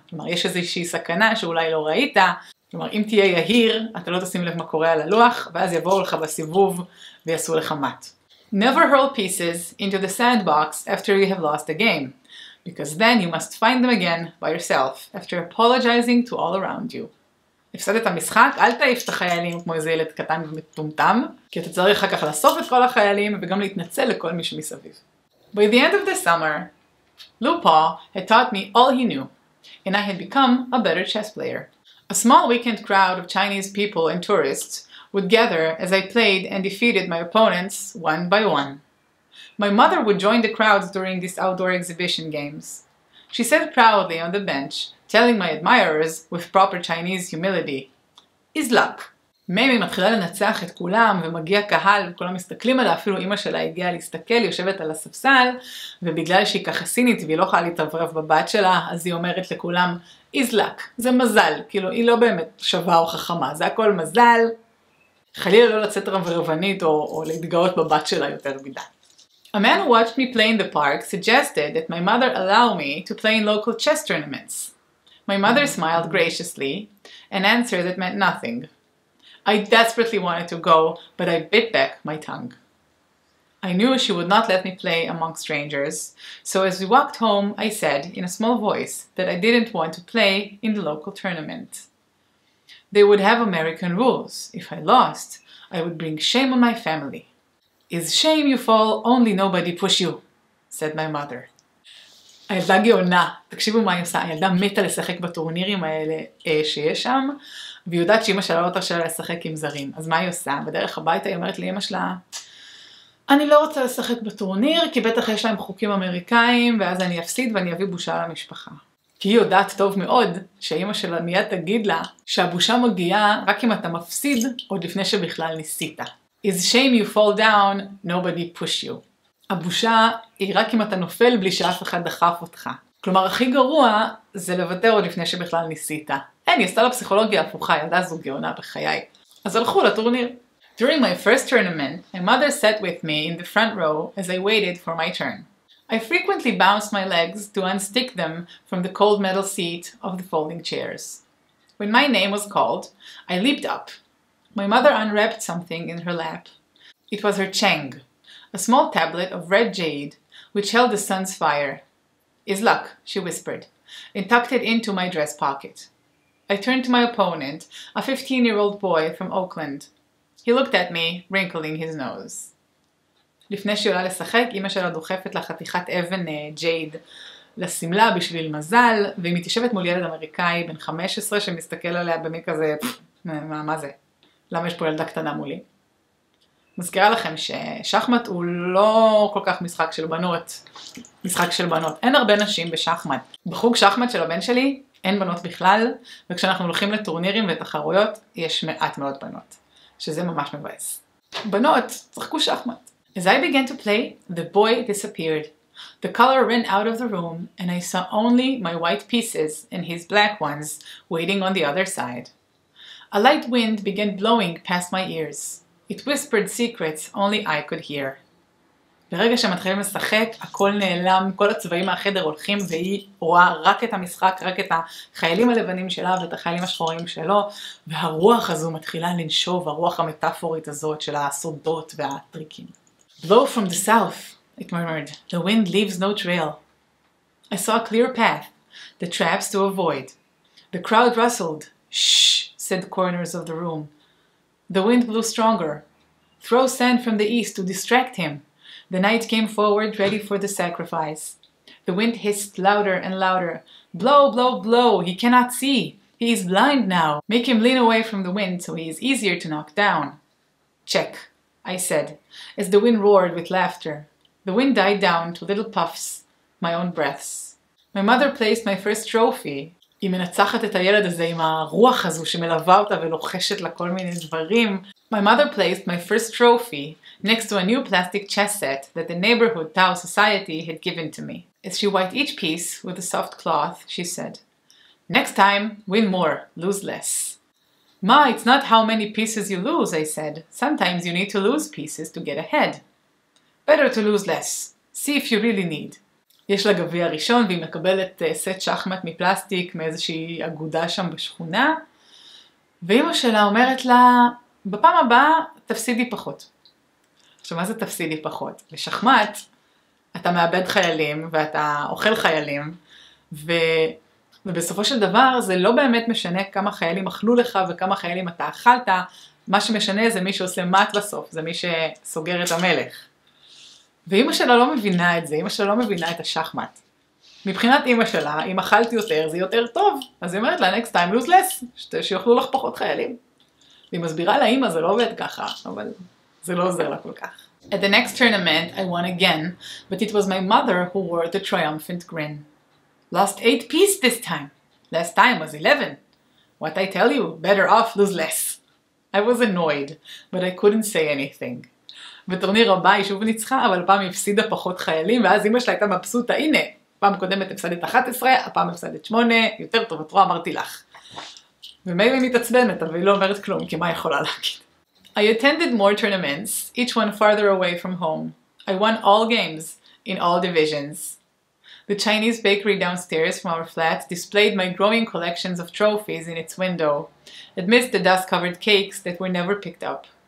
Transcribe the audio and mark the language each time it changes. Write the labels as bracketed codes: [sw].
[he] כלומר, יש איזושהי סכנה שאולי לא ראית, כלומר, אם תהיה יהיר, אתה לא תשים לב מה קורה על הלוח, ואז יבואו לך בסיבוב ויעשו לך מת. [en] Never hurl pieces into the sandbox after you have lost a game, because then you must find them again by yourself, after apologizing to all around you. [he] הפסד את המשחק, אל תעיף את החיילים כמו איזה ילד קטן ומטומטם, כי אתה צריך אחר כך לאסוף את כל החיילים וגם להתנצל לכל מי שמסביב. [en] By the end of the summer, Lupo had taught me all he knew, and I had become a better chess player. A small weekend crowd of Chinese people and tourists would gather as I played and defeated my opponents one by one. My mother would join the crowds during these outdoor exhibition games. She sat proudly on the bench, telling my admirers with proper Chinese humility, "Is luck." [he] מימי מתחילה לנצח את כולם ומגיע קהל וכולם מסתכלים עליה, אפילו אמא שלה הגיעה להסתכל, יושבת על הספסל, ובגלל שהיא ככה סינית והיא לא יכולה להתעברב בבת שלה, אז היא אומרת לכולם, [en] "Is luck." [he] זה מזל, כאילו היא לא באמת שווה או חכמה, זה הכל מזל. חלילה לא לצאת רברבנית או להתגאות בבת שלה יותר מדי. [en] A man who watched me play in the park suggested that my mother allow me to play in local chess tournaments. My mother smiled graciously, an answer that meant nothing. I desperately wanted to go, but I bit back my tongue. I knew she would not let me play among strangers, so as we walked home, I said in a small voice that I didn't want to play in the local tournament. They would have American rules. If I lost, I would bring shame on my family. Is shame you fall, only nobody push you, said my mother. [he] הילדה גאונה, תקשיבו מה היא עושה, הילדה מתה לשחק בטורנירים האלה שיש שם, והיא יודעת שאמא שלה לא תרשה לשחק עם זרים, אז מה היא עושה? בדרך הביתה היא אומרת לאמא שלה, אני לא רוצה לשחק בטורניר, כי בטח יש להם חוקים אמריקאים, ואז אני אפסיד ואני אביא בושה למשפחה. כי היא יודעת טוב מאוד שאמא שלה מיד תגיד לה שהבושה מגיעה רק אם אתה מפסיד עוד לפני שבכלל ניסית. Is shame you fall down, nobody push you. הבושה היא רק אם אתה נופל בלי שאף אחד דחף אותך. כלומר, הכי גרוע זה לוותר עוד לפני שבכלל ניסית. אין, היא עשתה לפסיכולוגיה הפוכה, ילדה זו גאונה בחיי. אז הלכו לטורניר. [en] During my first tournament, my mother sat with me in the front row as I waited for my turn. I frequently bounced my legs to unstick them from the cold metal seat of the folding chairs. When my name was called, I leaped up. My mother unwrapped something in her lap. It was her cheng, a small tablet of red jade which held the sun's fire. Is luck, she whispered, and tucked it into my dress pocket. I turned to my opponent, a 15-year-old boy from Oakland. He looked at me, wrinkling his nose. [he] לפני שהיא עולה לשחק, אמא שלה דוחפת לה חתיכת אבן ג'ייד לשמלה בשביל מזל, והיא מתיישבת מול ילד אמריקאי בן 15 שמסתכל עליה במי כזה, מה זה? למה יש פה ילדה קטנה מולי? מזכירה לכם ששחמט הוא לא כל כך משחק של בנות. משחק של בנות. אין הרבה נשים בשחמט. בחוג שחמט של הבן שלי אין בנות בכלל, וכשאנחנו הולכים לטורנירים ותחרויות יש מעט מאוד בנות. שזה ממש מבאס. בנות, צחקו שחמט. [en] As I began to play, the boy disappeared. The color ran out of the room, and I saw only my white pieces and his black ones waiting on the other side. A light wind began blowing past my ears. It whispered secrets only I could hear. [he] ברגע שמתחילים לשחק, הכל נעלם, כל הצבעים מהחדר הולכים, והיא רואה רק את המשחק, רק את החיילים הלבנים שלה ואת החיילים השחורים שלו, והרוח הזו מתחילה לנשוב, הרוח המטאפורית הזאת של הסודות והטריקים. [en] Blow from the south, it murmured. The wind leaves no trail. I saw a clear path, the traps to avoid. The crowd rustled. Shh, said the corners of the room. The wind blew stronger. Throw sand from the east to distract him. The night came forward, ready for the sacrifice. The wind hissed louder and louder. Blow, blow, blow! He cannot see! He is blind now! Make him lean away from the wind so he is easier to knock down. Check, I said, as the wind roared with laughter. The wind died down to little puffs, my own breaths. My mother placed my first trophy. [he] היא מנצחת את הילד הזה עם הרוח הזו שמלווה אותה ולוחשת לה כל מיני דברים. [en] My mother placed my first trophy next to a new plastic chess set that the neighborhood Tao society had given to me. As she wiped each piece with a soft cloth, she said, Next time, win more, lose less. Ma, it's not how many pieces you lose, I said. Sometimes you need to lose pieces to get ahead. Better to lose less. See if you really need. [he] יש לה גביע ראשון והיא מקבלת סט שחמט מפלסטיק מאיזושהי אגודה שם בשכונה. ואימא שלה אומרת לה, בפעם הבאה תפסידי פחות. עכשיו מה זה תפסידי פחות? לשחמט אתה מאבד חיילים ואתה אוכל חיילים. ובסופו של דבר זה לא באמת משנה כמה חיילים אכלו לך וכמה חיילים אתה אכלת. מה שמשנה זה מי שעושה מט לסוף, זה מי שסוגר את המלך. ואימא שלה לא מבינה את זה, אימא שלה לא מבינה את השחמט. מבחינת אימא שלה, אם אכלת יותר, זה יותר טוב. אז היא אומרת לה, [en] next time lose less, [he] שיוכלו לך פחות חיילים. והיא מסבירה לאימא, זה לא עובד ככה, אבל זה לא עוזר לה כל כך. [en] At the next tournament, I won again, but it was my mother who wore the triumphant grin. Lost 8 pieces this time. Last time was 11. What I tell you, better off lose less. I was annoyed, but I couldn't say anything. [he] בטורניר הבא היא שוב ניצחה, אבל פעם היא הפסידה פחות חיילים, ואז אמא שלה הייתה מבסוטה, הנה, פעם קודמת הפסדת 11, הפעם הפסדת 8, יותר טוב, את רואה, אמרתי לך. ומייבי מתעצבנת, אבל היא לא אומרת כלום, כי מה יכולה להגיד? [en] I attended more tournaments, each one farther away from home. I won all games, in all divisions. The Chinese bakery downstairs from our flat displayed my growing collections of trophies in its window, amidst the dust-covered cakes that were never picked up.